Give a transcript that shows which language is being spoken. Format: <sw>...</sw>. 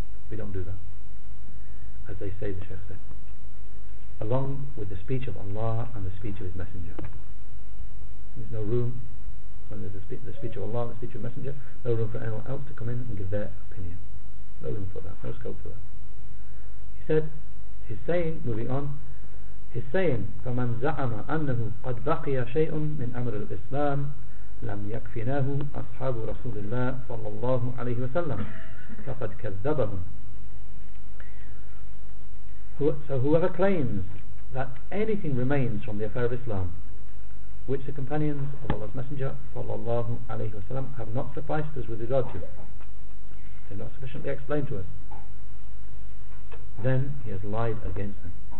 <en>We don't do that, as they say, the Shaykh said, along with the speech of Allah and the speech of His Messenger. There's no room when there's the speech of Allah, the speech of the Messenger, no room for anyone else to come in and give their opinion. No room for that, no scope for that. He said, he's saying,</en> <ar>moving on, he's saying, فَمَنْ زَعَمَ أَنَّهُ قَدْ بَقِيَ شَيْءٌ مِنْ أَمْرِ الْإِسْلَامِ لَمْ يَكْفِنَاهُ أَصْحَابُ رَسُولِ اللَّهِ صَلَّى اللَّهُ عَلَيْهِ وَسَلَّمُ فَقَدْ كَذَّبَهُمْ.</ar> <en>So whoever claims that anything remains from the affair of Islam which the companions of Allah's Messenger sallallahu alaihi wasallam have not sufficed us with regard to, they're not sufficiently explained to us, then he has lied against them.</en>